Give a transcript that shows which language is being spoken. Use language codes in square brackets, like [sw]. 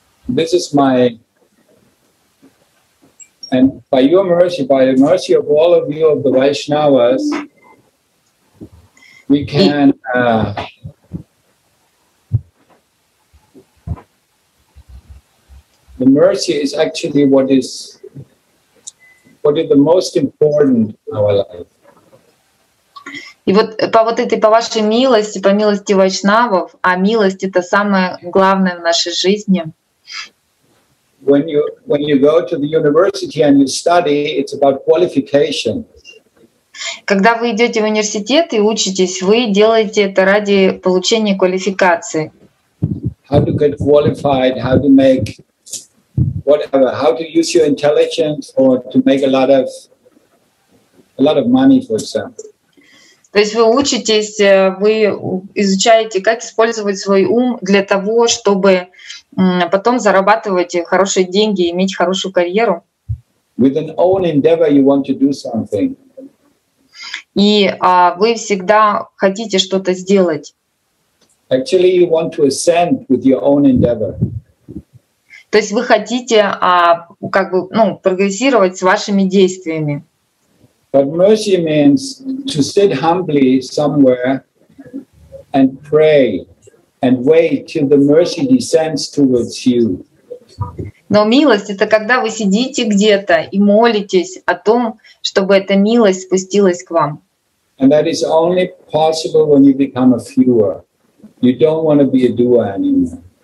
[en] This is my, and by your mercy, by the mercy of all of you of the Vaishnavas, we can the mercy is actually what is the most important in our life. [ru] И вот по вот этой, по вашей милости, по милости вайшнавов, а милость — это самое главное в нашей жизни. [en] When you go to the university and you study, it's about qualification. [ru] Когда вы идете в университет и учитесь, вы делаете это ради получения квалификации. [en] How to get qualified, how to make whatever, how to use your intelligence or to make a lot of money, for example. [ru] То есть вы учитесь, вы изучаете, как использовать свой ум для того, чтобы потом зарабатывать хорошие деньги, иметь хорошую карьеру. [en] With an own endeavor you want to do something. [ru] И вы всегда хотите что-то сделать. [en] Actually you want to ascend with your own endeavor. [ru] То есть вы хотите прогрессировать с вашими действиями. [en] But mercy means to sit humbly somewhere and pray and wait till the mercy descends towards you. [ru] Но милость — это когда вы сидите где-то и молитесь о том, чтобы эта милость спустилась к вам. [en] And that is only possible when you become a viewer. You don't want to be a doer anymore.